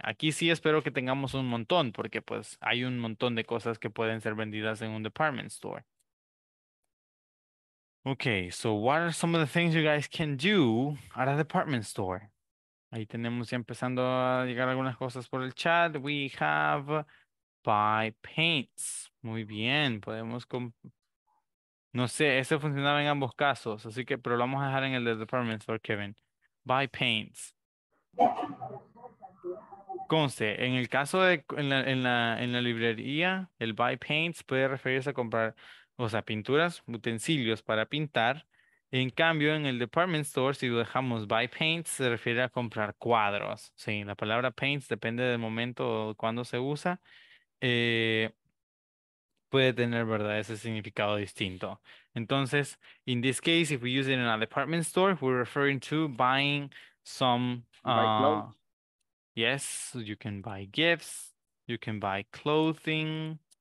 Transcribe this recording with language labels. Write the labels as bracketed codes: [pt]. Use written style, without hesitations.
[es] Aquí sí espero que tengamos un montón, porque pues hay un montón de cosas que pueden ser vendidas en un department store. [en] Okay, so what are some of the things you guys can do at a department store? [es] Ahí tenemos ya empezando a llegar algunas cosas por el chat. [en] We have buy paints. [es] Muy bien, podemos no sé, ese funcionaba en ambos casos, así que pero lo vamos a dejar en el de department store, Kevin. [en] Buy paints. [es] Conste, en el caso de en la librería, el buy paints puede referirse a comprar, o sea, pinturas, utensilios para pintar. En cambio, en el department store, si dejamos buy paints, se refiere a comprar cuadros. Sí, la palabra paints depende del momento o cuando se usa. Puede tener, ¿verdad?, ese significado distinto. [en] Entonces, in this case, if we use it in a department store, we're referring to buying some... yes, you can buy gifts, you can buy clothing...